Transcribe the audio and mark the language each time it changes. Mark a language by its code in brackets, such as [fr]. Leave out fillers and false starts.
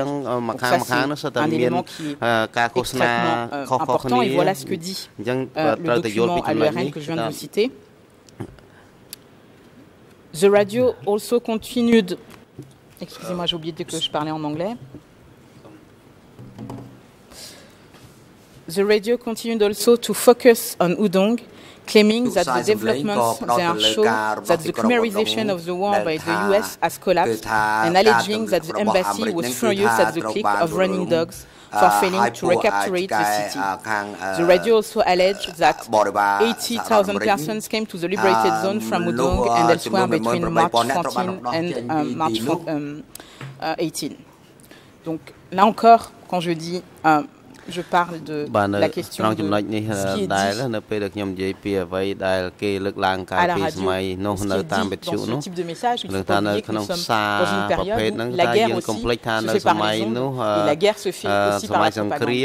[fr] Donc ça, c'est un élément qui est extrêmement important, et voilà ce que dit le document à l'ERN que je viens de vous citer. [en] The radio also continued... [fr] Excusez-moi, j'ai oublié que je parlais en anglais. [en] The radio continued also to focus on Udong, claiming that the developments there show that the Khmerization of the war by the US has collapsed, and alleging that the embassy was furious at the clique of running dogs for failing to recapture the city. The radio also alleged that 80,000 persons came to the liberated zone from Udong and elsewhere between March 14 and March 18. [fr] Donc là encore, quand je dis... Je parle de la question de ce qui est dit à la radio, ce qui est dit dans ce type de message, il faut pas oublier que nous sommes dans une période où la guerre aussi se fait par raison, et la guerre se fait aussi par la propagande.